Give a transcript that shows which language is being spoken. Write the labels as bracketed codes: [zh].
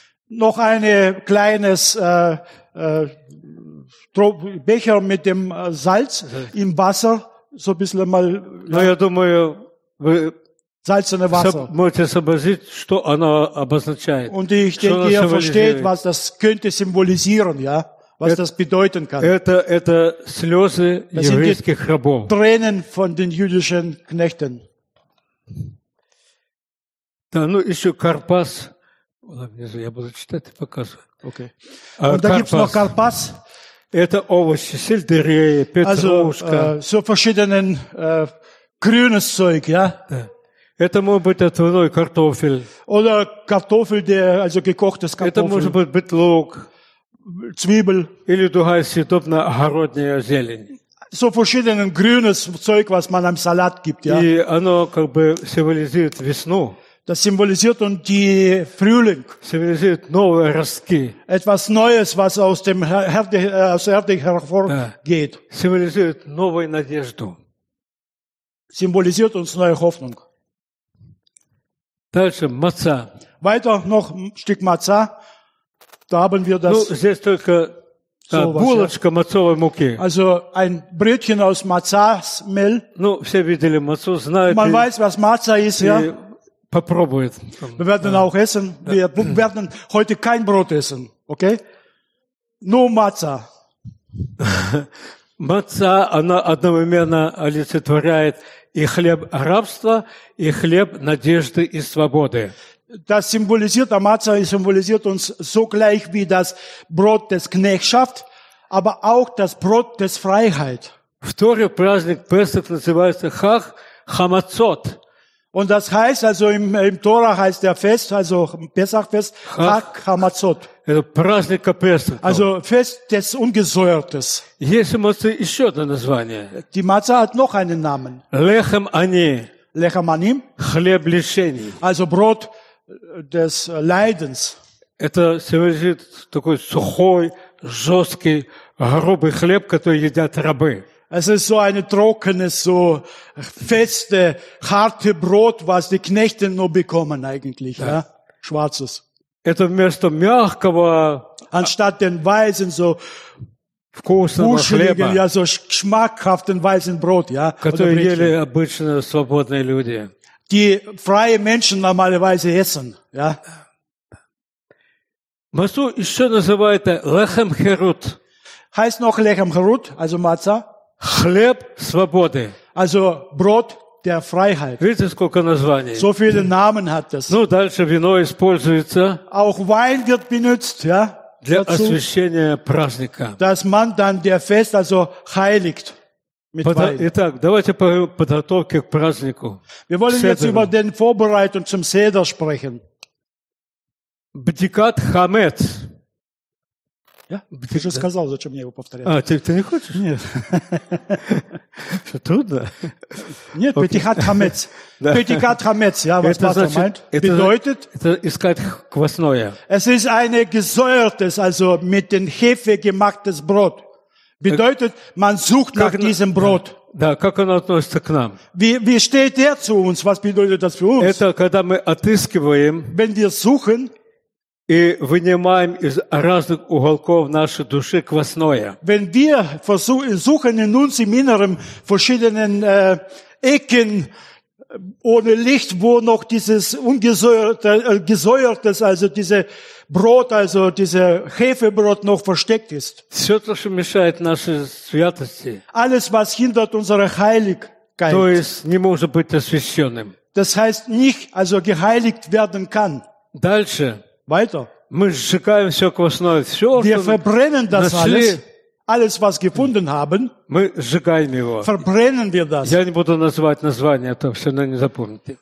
[de] Noch ein kleines Becher mit dem Salz im Wasser, so ein bisschen mal. [ru] Ну, я думаю, вы [de] Salzene Wasser. [ru] Можете сообразить, что оно обозначает. [de] Und ich denke, ihr versteht, was das könnte symbolisieren, ja? Was das bedeuten kann. [ru] Это слезы еврейских рабов. [de] Tränen von den jüdischen Knechten. [ru] Да, ну еще Карпас. Я буду читать и показывать. [de] Okay. Und da gibt's noch Карпас. [ru] Это овощи, сельдерей, петрушка. [de] Also, so verschiedenen grünes Zeug, ja? [ru] Да. Это может быть отварной картофель. [de] Oder Kartoffeln, der also gekochtes Kartoffeln. [ru] Это может быть бетлук. [de] Zwiebeln. [ru] Или другая съедобная огородная зелень. [de] So verschiedenes grünes Zeug, was man am Salat gibt, ja. [ru] И оно как бы символизирует весну. [de] Das symbolisiert und die Frühling. [ru] Символизирует новые ростки. [de] Etwas Neues, was aus dem Erde hervorgeht. [ru] Символизирует новую надежду. [de] Symbolisiert uns neue Hoffnung. [ru] Дальше, маца. [de] Weiter noch ein Stück Matza. Da haben wir das. [ru] Ну, здесь только булочка мацовой муки. [de] Also ein Brötchen aus Matzahs Mehl. [ru] Ну, все видели мацу, знают. [de] Man weiß, was Matza ist, ja. [ru] Попробует. [de] Wir werden auch essen. Wir werden heute kein Brot essen, okay? Nur Matza. [ru] Матца, она одновременно олицетворяет и хлеб рабства, и хлеб надежды и свободы. [de] Das symbolisiert, der Matza symbolisiert uns so gleich wie das Brot des Knechtschaft, aber auch das Brot des Freiheit. [ru] Второй праздник Песах называется Хах Хамацот. [de] Und das heißt, also im Tora heißt der Fest, also Pesachfest, Хах Хамацот. [ru] Это праздник Песах. [de] Also Fest des Ungesäuertes. [ru] Есть у Матца еще одно название. [de] Die Matza hat noch einen Namen. [he] Лехем Ани. Лехем Ани. [ru] Хлеб лишений. [de] Also Brot des Leidens. [ru] Это символизирует такой сухой, жесткий, грубый хлеб, который едят рабы. [de] Es ist so ein trockenes, so feste, harte Brot, was die Knechte nur bekommen eigentlich, ja. Ja? Schwarzes. [ru] Это вместо мягкого, [de] anstatt den weißen, so wuscheligen, ja, so schmackhaften weißen Brot, ja. [ru] Которые ели обычно свободные люди. [de] Die freie Menschen normalerweise essen, ja. [ru] Мацу еще называют Лехем Херут. [de] Heißt noch Лехем Херут, also Matza. [ru] Хлеб свободы. [de] Also Brot der Freiheit. [ru] Видите, сколько названий? [de] So viele Namen hat es. [ru] Ну, дальше вино используется. [de] Auch Wein wird benutzt, ja. [ru] Для освящения праздника. [de] Dass man dann der Fest also heiligt. [ru] Итак, давайте поговорим о подготовке к празднику. [de] Wir wollen jetzt über den Vorbereitung zum Seder sprechen. [ru] Бдикат хамец. Я? Ты же сказал, зачем мне его повторять? А, ты не хочешь? Нет. Что, трудно? Нет, бетикат хамец. Бетикат хамец, я вас понимаю. [de] Bedeutet? [ru] Это искать квасное. [de] Es ist eine gesäuertes, also mit den Hefe gemachtes Brot. Bedeutet, man sucht nach diesem Brot. [ru] Да, как оно относится к нам? [de] Wie steht er zu uns? Was bedeutet das für uns? [ru] Это когда мы отыскиваем. [de] Wenn wir suchen. [ru] И вынимаем из разных уголков нашей души квасное. [de] Wenn wir versuchen in uns im Inneren verschiedenen Ecken ohne Licht, wo noch dieses ungesäuerte, gesäuertes, also diese Brot, also diese Hefebrot noch versteckt ist. [ru] Все, что мешает нашей святости. [de] Alles, was hindert unsere Heiligkeit. [ru] То есть не может быть освященным. [de] Das heißt nicht, also geheiligt werden kann. [ru] Дальше. [de] Weiter. [ru] Мы сжигаем все квасное, все, [de] wir verbrennen das [ru] нашли, [de] alles, was gefunden haben. [ru] Мы сжигаем его. [de] Verbrennen wir das. [ru] Я не буду называть название, а то все равно не запомните.